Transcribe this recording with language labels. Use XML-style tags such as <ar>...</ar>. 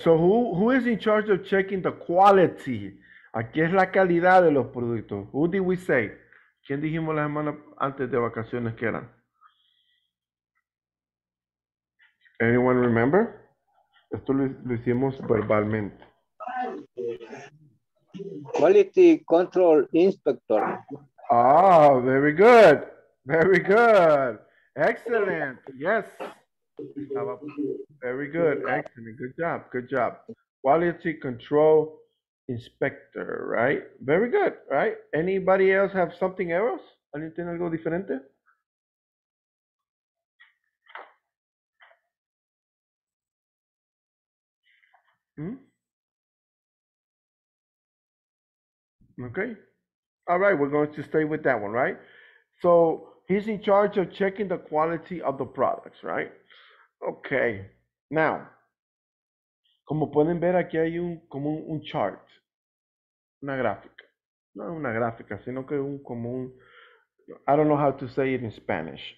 <en>So who is in charge of checking the quality?</en> <es>Aquí es la calidad de los productos.</es> <en>Who did we say?</en> <es>¿Quién dijimos la semana antes de vacaciones que eran?</es> <en>Anyone remember?</en> <es>Esto lo hicimos verbalmente.</es> <en>Quality Control Inspector. Ah, oh, very good. Very good. Excellent. Yes. Very good. Excellent. Good job. Good job. Quality Control Inspector, right? Very good, right? Anybody else have something else?</en> <es>¿Alguien tiene algo diferente?</es> <en>Okay. All right, we're going to stay with that one, right? So he's in charge of checking the quality of the products, right? Okay.</en> <es>Now, como pueden ver, aquí hay un chart. Una gráfica. No una gráfica, sino que un común.</es> <en>I don't know how to say it in Spanish.</en>